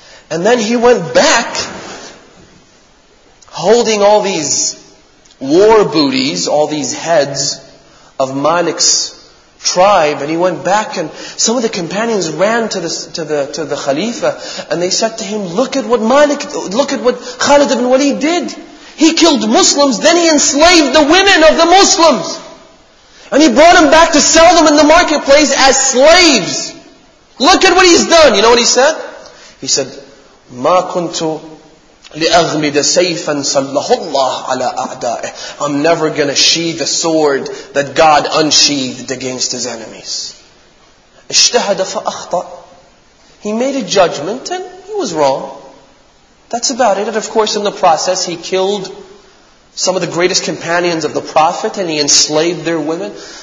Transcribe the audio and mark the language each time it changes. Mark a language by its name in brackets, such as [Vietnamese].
[English] And then he went back, holding all these war booties, all these heads of Malik's tribe, and he went back, and some of the companions ran to the Khalifa, and they said to him, look at what Khalid ibn Walid did. He killed Muslims, then he enslaved the women of the Muslims. And he brought them back to sell them in the marketplace as slaves. Look at what he's done. You know what he said? He said, [Arabic] "Ma kuntu لِأَغْمِدَ سَيْفًا صَلَّهُ اللَّهُ عَلَىٰ أَعْدَائِهِ." [English] I'm never going to sheathe a sword that God unsheathed against His enemies. [Arabic] اشْتَهَدَ فَأَخْطَأَ. [English] He made a judgment and he was wrong. That's about it. And of course in the process he killed some of the greatest companions of the Prophet and he enslaved their women.